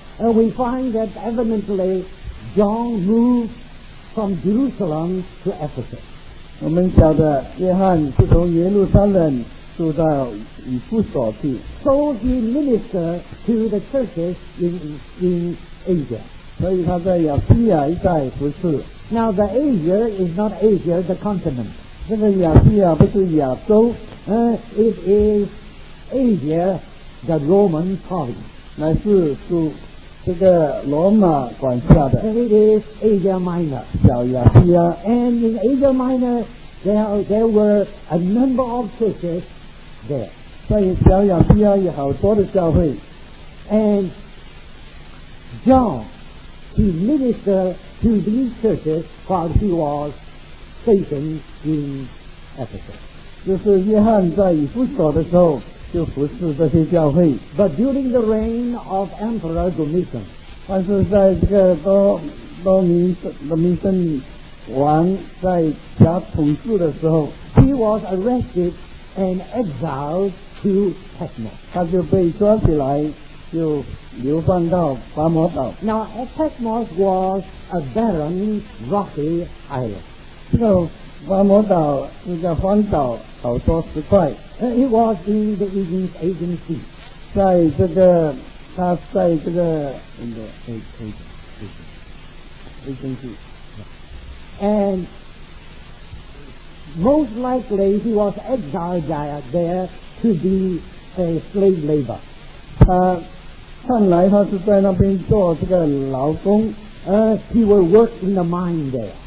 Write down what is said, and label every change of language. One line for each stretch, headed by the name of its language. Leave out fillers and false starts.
English: And we find that evidently John moved from Jerusalem to Ephesus.
Chinese: 我们晓得约翰是从耶路撒冷住到以弗所去。
English: So he ministered to the churches in Asia.
Chinese: 所以他在亚细亚一带服事。
English: Now the Asia is not Asia, the continent.
Chinese: 这个亚细亚不是亚洲。
English: It is Asia, the Roman province.
Chinese: 乃是属这个罗马管辖的。
English: It is Asia Minor.
Chinese: 小亚细亚。
English: And in Asia Minor, there were a number of churches there.
Chinese: 在小亚细亚有好多的教会。
English: And John, he ministered to these churches while he was stationed in Ephesus.
Chinese: 就是约翰在以弗所的时候就服侍这些教会。
English: But during the reign of Emperor Domitian,
Chinese: 但是在这个多米森王在家统治的时候
English: ，he was arrested and exiled to Patmos.
Chinese: 他就被抓起来，就流放到巴摩岛。
English: Now Patmos was a barren, rocky island.
Chinese: 这个巴摩岛是个荒岛，好多石块。
English: It was in the Aegean Sea.
Chinese: 在这个，它在这个
English: in the Aegean Sea. And most likely he was exiled there to be a slave labor.
Chinese: 他看来他是在那边做这个劳工。
English: He would work in the mine there.